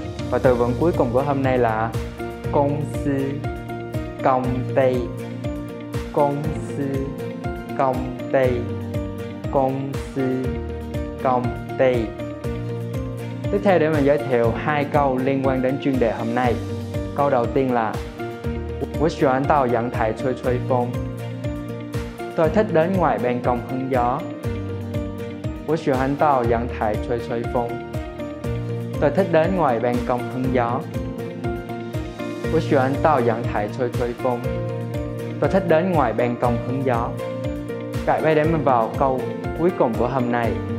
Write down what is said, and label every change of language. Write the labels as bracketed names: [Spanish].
[Vietnamese] Và từ vựng cuối cùng của hôm nay là công sư, công ty. Công sư, công ty. Công sư, công ty. Tiếp theo để mình giới thiệu hai câu liên quan đến chuyên đề hôm nay. Câu đầu tiên là [Chinese] 我喜欢到阳台吹吹风. [Vietnamese] Tôi thích đến ngoài ban công hứng gió. [Chinese] 我喜欢到阳台吹吹风. [Vietnamese] Tôi thích đến ngoài ban công hứng gió. [Chinese] 我喜欢到阳台吹吹风. [Vietnamese] Tôi thích đến ngoài ban công hứng gió. Cải bay đến vào câu cuối cùng của hôm nay.